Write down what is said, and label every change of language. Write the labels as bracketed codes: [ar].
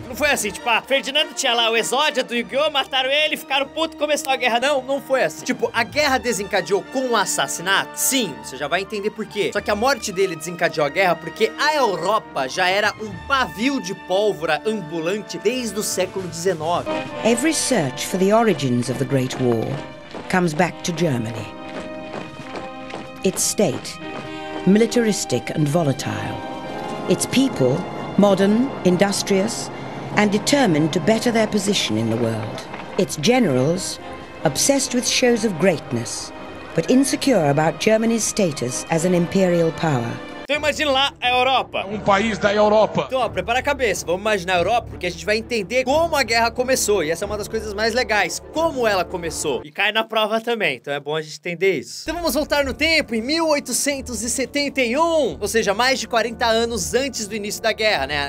[pt] Não foi assim, tipo, Ferdinando tinha lá o exódio do Yu-Gi-Oh, mataram ele, ficaram puto, começou a guerra. Não, não foi assim. Tipo, a guerra desencadeou com o assassinato? Sim, você já vai entender por quê. Só que a morte dele desencadeou a guerra porque a Europa já era um pavio de pólvora ambulante desde o século XIX. [en] Every search for the origins of the Great War comes back to Germany. Its state, militaristic and volatile. Its people, modern, industrious, and determined to better their position in the world. Its generals, obsessed with shows of greatness, but insecure about Germany's status as an imperial power. [pt] Então imagina lá a Europa. Um país da Europa. Então, ó, prepara a cabeça. Vamos imaginar a Europa, porque a gente vai entender como a guerra começou. E essa é uma das coisas mais legais. Como ela começou. E cai na prova também. Então é bom a gente entender isso. Então vamos voltar no tempo, em 1871. Ou seja, mais de 40 anos antes do início da guerra, né?